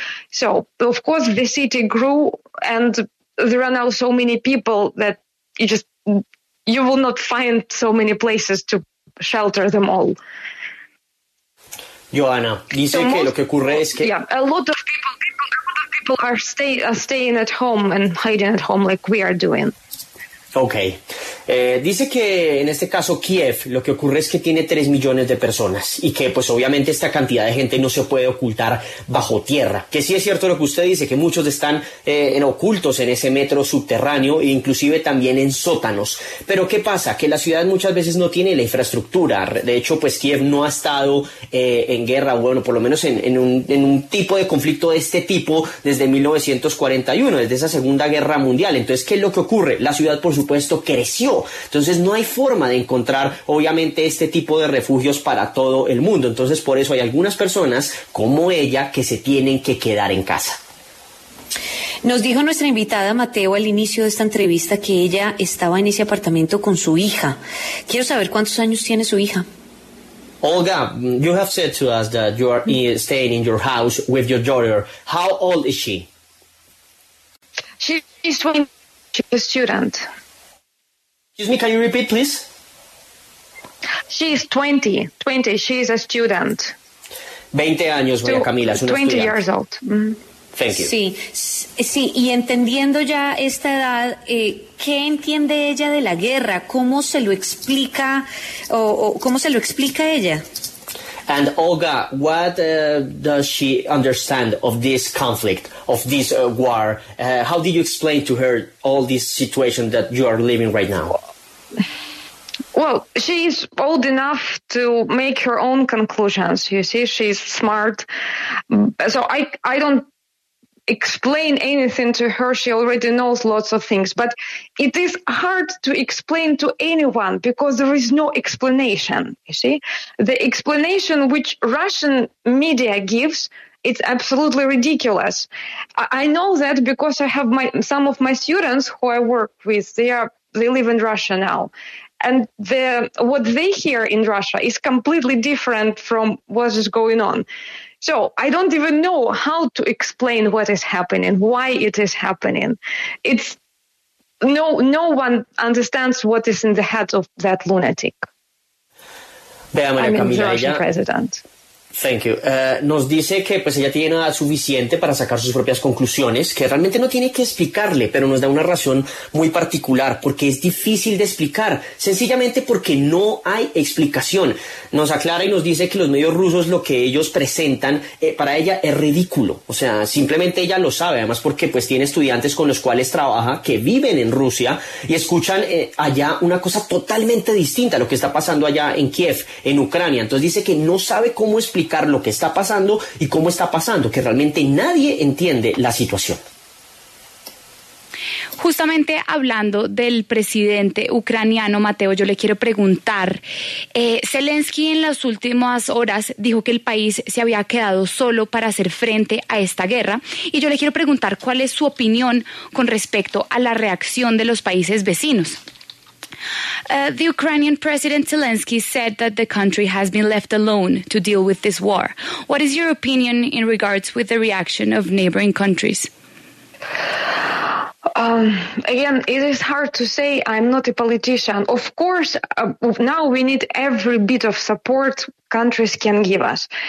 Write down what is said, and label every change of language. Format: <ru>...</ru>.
<en>So, of course, the city grew and there are now so many people that you will not find so many places to shelter them all.</en> <es>Joana, dice que lo que ocurre es que...</es> <en>Yeah, a lot of people are staying at home and hiding at home like we are doing. Okay.</en> <es>Dice que en este caso Kiev lo que ocurre es que tiene 3 millones de personas y que pues obviamente esta cantidad de gente no se puede ocultar bajo tierra, que sí es cierto lo que usted dice, que muchos están en ocultos en ese metro subterráneo e inclusive también en sótanos, pero ¿qué pasa? Que la ciudad muchas veces no tiene la infraestructura. De hecho pues Kiev no ha estado en guerra, bueno, por lo menos en un tipo de conflicto de este tipo desde 1941, desde esa Segunda Guerra Mundial. Entonces, ¿qué es lo que ocurre? La ciudad por supuesto creció. Entonces no hay forma de encontrar obviamente este tipo de refugios para todo el mundo. Entonces por eso hay algunas personas como ella que se tienen que quedar en casa. Nos dijo nuestra invitada Mateo al inicio de esta entrevista que ella estaba en ese apartamento con su hija. Quiero saber cuántos años tiene su hija.</es> <en>Olga, you have said to us that you are staying in your house with your daughter. How old is she? She's a student. Excuse me, can you repeat, please? She's 20. She's a student.</en> <es>20 años, María Camila.</es> <en>20 years old. Mm-hmm. Thank you.</en> <es>Sí, sí, y entendiendo ya esta edad, ¿qué entiende ella de la guerra? ¿Cómo se lo explica o cómo se lo explica ella?</es> <en>And Olga, what does she understand of this conflict, of this war? How do you explain to her all this situation that you are living right now? Well, she's old enough to make her own conclusions. You see, she's smart. So I don't explain anything to her. She already knows lots of things. But it is hard to explain to anyone because there is no explanation. You see, the explanation which Russian media gives, it's absolutely ridiculous. I know that because I have some of my students who I work with, they live in Russia now. And what they hear in Russia is completely different from what is going on. So I don't even know how to explain what is happening, why it is happening. It's no one understands what is in the head of that lunatic.</en> <es>Bea, María Camila,</es> <en>the Russian president. Thank you.</en> <es>Nos dice que pues ella tiene edad suficiente para sacar sus propias conclusiones, que realmente no tiene que explicarle, pero nos da una razón muy particular, porque es difícil de explicar, sencillamente porque no hay explicación. Nos aclara y nos dice que los medios rusos, lo que ellos presentan, para ella es ridículo. O sea, simplemente ella lo sabe, además porque pues tiene estudiantes con los cuales trabaja, que viven en Rusia, y escuchan allá una cosa totalmente distinta a lo que está pasando allá en Kiev, en Ucrania. Entonces dice que no sabe cómo explicar lo que está pasando y cómo está pasando, que realmente nadie entiende la situación. Justamente hablando del presidente ucraniano, Mateo, yo le quiero preguntar, Zelensky en las últimas horas dijo que el país se había quedado solo para hacer frente a esta guerra, y yo le quiero preguntar cuál es su opinión con respecto a la reacción de los países vecinos.</es> <en>The Ukrainian President Zelensky said that the country has been left alone to deal with this war. What is your opinion in regards with the reaction of neighboring countries? Again, it is hard to say. I'm not a politician. Of course, now we need every bit of support countries can give us.</en>